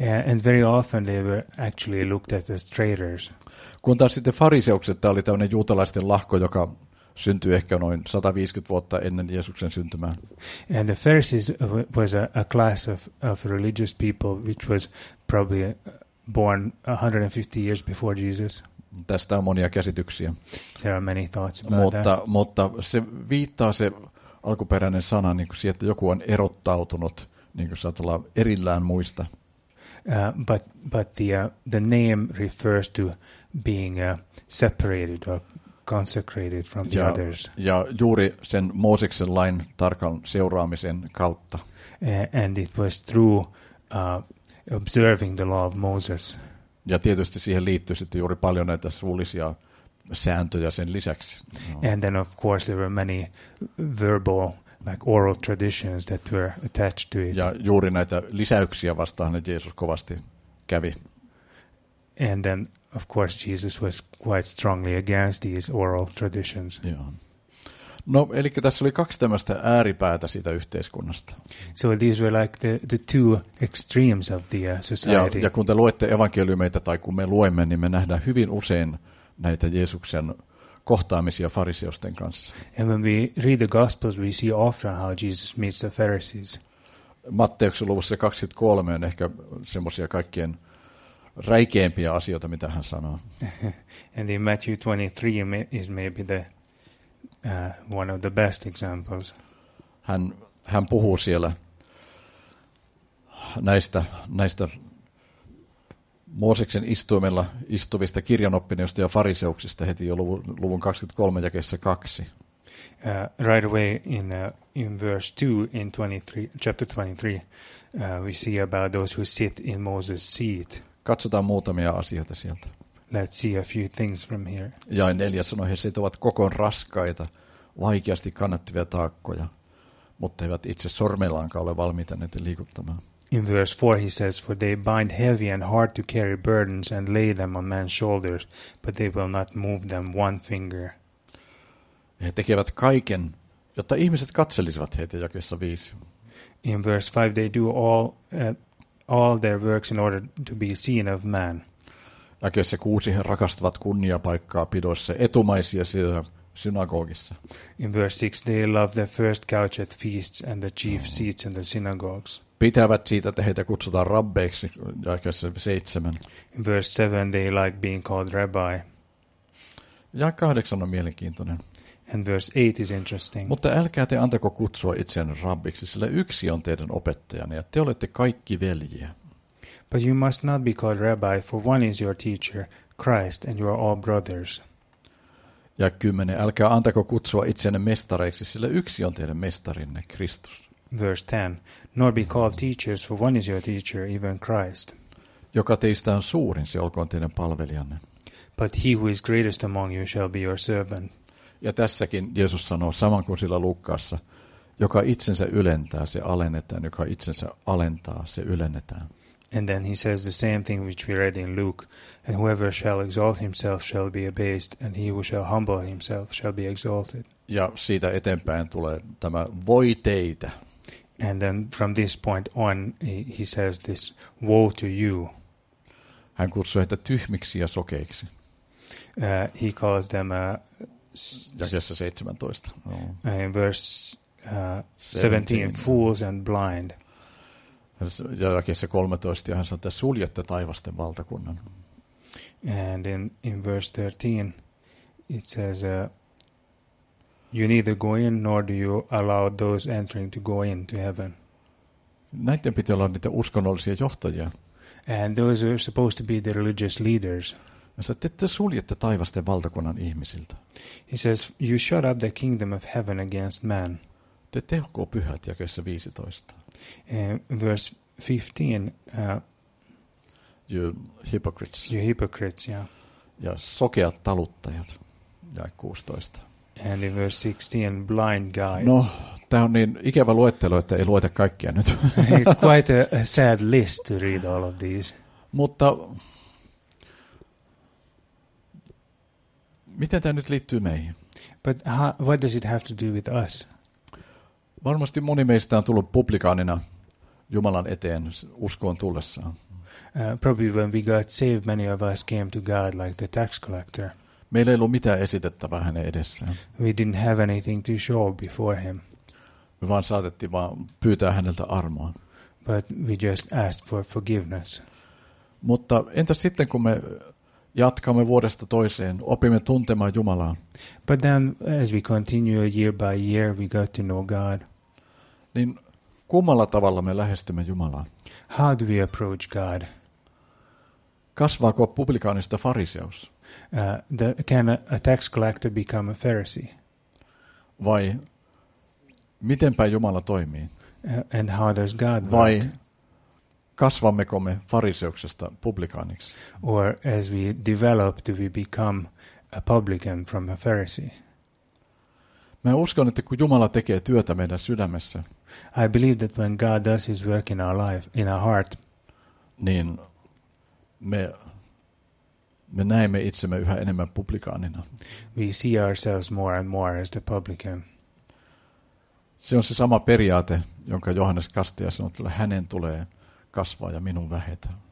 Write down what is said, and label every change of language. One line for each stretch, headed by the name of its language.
English: And very often they were actually looked at as traitors.
Finnish: Kun taas sitten fariseukset, tämä oli tämmöinen juutalaisten lahko, joka syntyi ehkä noin 150 vuotta ennen Jeesuksen syntymää.
English: And the Pharisees was a class of religious people which was probably born 150 years before Jesus.
Finnish: Tästä on monia käsityksiä.
English: There are many thoughts about that.
Finnish: Mutta se viittaa se alkuperäinen sana niin kuin siihen, että joku on erottautunut, niin kuin saat olla erillään muista.
English: But the name refers to being separated or consecrated from the others.
Finnish: Ja juuri sen Mooseksen lain tarkan seuraamisen kautta.
English: And it was through observing the law of Moses.
Finnish: Ja tietysti siihen liittyy sitten juuri paljon näitä suullisia sääntöjä sen lisäksi.
English: And then of course there were many verbal, like oral traditions that were attached to it.
Finnish: Ja juuri näitä lisäyksiä vastaan Jeesus kovasti kävi.
English: And then of course Jesus was quite strongly against these oral traditions.
Finnish: Joo. No, eli tässä oli kaksi tämmöistä ääripäätä siitä yhteiskunnasta.
English: So these were like the two extremes of the society.
Finnish: Ja kun te luette evankeliumeita tai kun me luemme, niin me nähdään hyvin usein näitä Jeesuksen kohtaamisia fariseusten kanssa.
English: And when we read the gospels, we see often how Jesus meets the Pharisees.
Finnish: Matteuksen luvussa 23 on ehkä semmoisia kaikkien räikeimpiä asioita, mitä hän sanoo.
English: And in Matthew 23 is maybe the one of the best examples.
Finnish: Hän puhuu siellä näistä Mooseksen istuimella istuvista kirjanoppineista ja fariseuksista heti jo luvun 23 jakeessa 2.
English: Right away in verse 2 in 23 chapter 23 we see about those who sit in Moses' seat.
Finnish: Katsotaan muutamia asioita sieltä.
English: Let's see a few things from here.
Finnish: Ja 4 sanoi, he sitovat kokoon raskaita, vaikeasti kannattavia taakkoja, mutta eivät itse sormellaankaan ole valmiita niitä liikuttamaan.
English: In verse 4 he says, for they bind heavy and hard to carry burdens and lay them on man's shoulders, but they will not move them one finger.
Finnish: He tekevät kaiken, jotta ihmiset katselisivat heitä, jakeessa 5.
English: In verse 5 they do all their works in order to be seen of man.
Finnish: Jakeessa 6 he rakastavat kunniapaikkaa pidossa etumaisia siellä synagogissa.
English: In verse 6 they love the first couch at feasts and the chief seats in the synagogues.
Finnish: Pitävät siitä, että heitä kutsutaan rabbeiksi, jakeessa 7.
English: In verse 7 they like being called rabbi.
Finnish: Ja 8 on mielenkiintoinen.
English: And verse 8 is interesting.
Finnish: Mutta älkää te antako kutsua itseänne rabbiksi, sillä yksi on teidän opettajanne ja te olette kaikki veljiä.
English: But you must not be called rabbi, for one is your teacher, Christ, and you are all brothers.
Finnish: Ja 10. Älkää antako kutsua itseänne mestareiksi, sillä yksi on teidän mestarinne, Kristus.
English: Verse 10. Nor be called teachers, for one is your teacher, even Christ.
Finnish: Joka teistä on suurin, se olkoon teidän palvelijanne.
English: But he who is greatest among you shall be your servant.
Finnish: Ja tässäkin Jeesus sanoo, saman kuin sillä Luukkaassa, joka itsensä ylentää, se alennetaan, joka itsensä alentaa, se ylennetään.
English: And then he says the same thing which we read in Luke, and whoever shall exalt himself shall be abased, and he who shall humble himself shall be exalted.
Finnish: Ja siitä eteenpäin tulee tämä voi teitä.
English: And then from this point on he says this woe to you.
Finnish: Hän kutsuu heitä tyhmiksi ja sokeiksi.
English: He calls them
Finnish: jakeessa 17.
English: In verse 17, fools and blind.
Finnish: Ja jakeessa 13 hän sanoo, että suljette taivasten valtakunnan.
English: And in verse 13 it says you neither go in nor do you allow those entering to go into heaven.
Finnish: Näiden pitää olla niitä uskonnollisia johtajia.
English: And those are supposed to be the religious leaders.
Finnish: Ja sanoo, että te suljette taivasten valtakunnan ihmisiltä.
English: He says you shut up the kingdom of heaven against man.
Finnish: Te tehko pyhät, jakeessa 15.
English: Verse 15. You hypocrites. You hypocrites, yeah.
Finnish: Ja sokeat taluttajat, jae 16.
English: And in verse 16, blind guides.
Finnish: No, tämä on niin ikävä luettelo, että ei lueta kaikkia nyt.
English: It's quite a sad list to read all of these.
Finnish: Mutta miten tämä nyt liittyy meihin?
English: But what does it have to do with us?
Finnish: Varmasti moni meistä on tullut publikaanina Jumalan eteen uskoon tullessaan.
English: Probably when we got saved, many of us came to God like the tax collector.
Finnish: Meillä ei ollut mitään esitettävää hänen edessään.
English: We didn't have anything to show before him.
Finnish: Me vaan saatettiin vaan pyytää häneltä armoa.
English: But we just asked for forgiveness.
Finnish: Mutta entäs sitten, kun me jatkamme vuodesta toiseen, opimme tuntemaan Jumalaa?
English: But then, as we continue year by year, we got to know God.
Finnish: Niin kummalla tavalla me lähestymme Jumalaa?
English: How do we approach God?
Finnish: Kasvaako publikaanista fariseus?
English: Can a tax collector become a Pharisee?
Finnish: Vai mitenpä Jumala toimii?
English: And how does God
Finnish: Vai
English: work?
Finnish: Kasvammeko me fariseuksesta publikaaniksi?
English: Or as we develop, do we become a publican from a Pharisee?
Finnish: Mä uskon, että kun Jumala tekee työtä meidän sydämessä,
English: I believe that when God does his work in our life, in our heart,
Finnish: niin me näemme itsemme yhä enemmän publikaanina.
English: We see ourselves more and more as the publican.
Finnish: Se on se sama periaate, jonka Johannes Kastaja sanoi, että hänen tulee kasvaa ja minun vähetä.